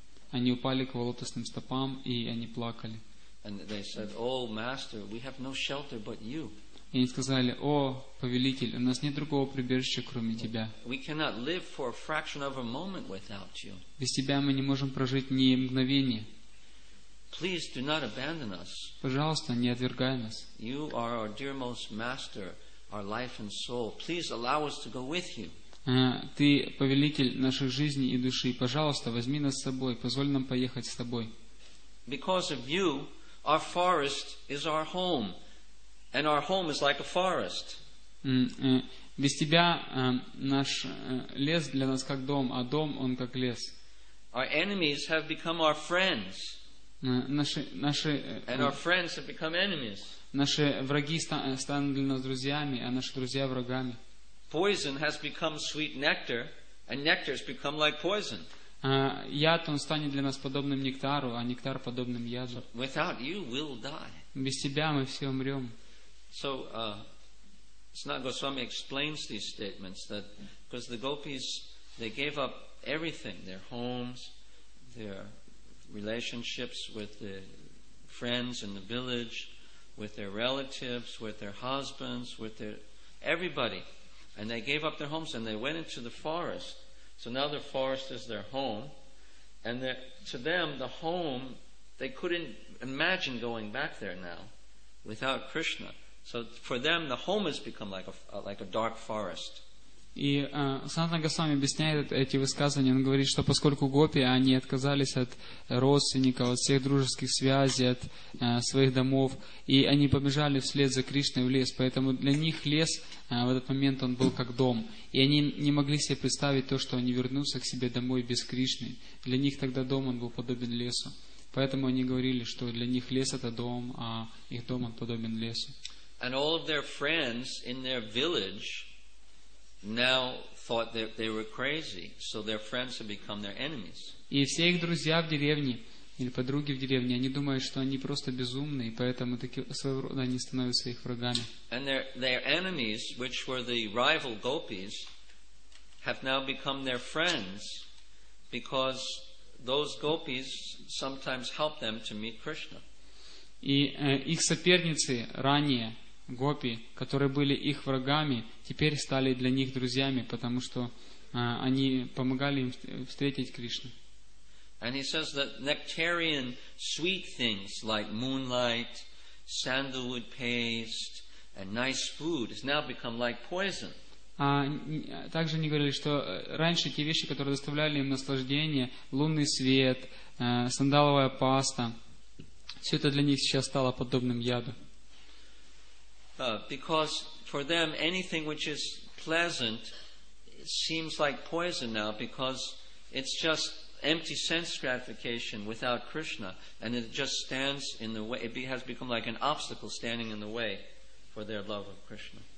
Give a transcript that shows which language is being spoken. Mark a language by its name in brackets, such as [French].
[Russian] Они упали к его лотосным стопам и они плакали. [English] And they said, "Oh, master, we have no shelter but you." [Russian] И они сказали: «О, повелитель, у нас нет другого прибежища, кроме Тебя. [English] We cannot live for a fraction of a moment without You. [Russian] Без Тебя мы не можем прожить ни мгновения. [English] Please do not abandon us. [Russian] Пожалуйста, не отвергай нас. [English] You are our dearmost master, our life and soul. Please allow us to go with You. [Russian] Ты повелитель нашей жизни и души. Пожалуйста, возьми нас с собой. Позволь нам поехать с тобой. [English] Because of You, our forest is our home. And our home is like a forest. [Russian] Без тебя наш лес для нас как дом, а дом он как лес. [English] Our enemies have become our friends. And our friends have become enemies. [Russian] Наши враги стали для нас друзьями, а наши друзья врагами. [English] Poison has become sweet nectar, and nectar has become like poison. [Russian] Яд он станет для нас подобным нектару, а нектар подобным яду. [English] Without You, we'll die. [Russian] Без тебя мы все умрем. [English] So, Sanat Goswami explains these statements that because the gopis, they gave up everything, their homes, their relationships with the friends in the village, with their relatives, with their husbands, with their everybody. And they gave up their homes and they went into the forest. So now the forest is their home. And to them, the home, they couldn't imagine going back there now without Krishna. So for them, the home has become like a dark forest. [Russian] И Санатана Госвами объясняет эти высказывания. Он говорит, что поскольку гопи, они отказались от родственников, от всех дружеских связей, от своих домов, и они побежали вслед за Кришной в лес. Поэтому для них лес в этот момент он был как дом. И они не могли себе представить то, что они вернутся к себе домой без Кришны. Для них тогда дом он был подобен лесу. Поэтому они говорили, что для них лес это дом, а их дом он подобен лесу. [English] And all of their friends in their village now thought that they were crazy, so their friends have become their enemies. [Russian] И все их друзья в деревне или подруги в деревне, они думают, что они просто безумные, поэтому такие своего рода они становятся их врагами. [English] And their enemies, which were the rival gopis, have now become their friends because those gopis sometimes help them to meet Krishna. [Russian] И их соперницы ранее гопи, которые были их врагами, теперь стали для них друзьями, потому что они помогали им встретить Кришну. [English] And he says that nectarian sweet things like moonlight, sandalwood paste, and nice food has now become like poison. [Russian] А также они говорили, что раньше те вещи, которые доставляли им наслаждение, лунный свет, сандаловая паста, все это для них сейчас стало подобным яду. [English] Because for them anything which is pleasant seems like poison now because it's just empty sense gratification without Krishna and it just stands in the way, it has become like an obstacle standing in the way for their love of Krishna.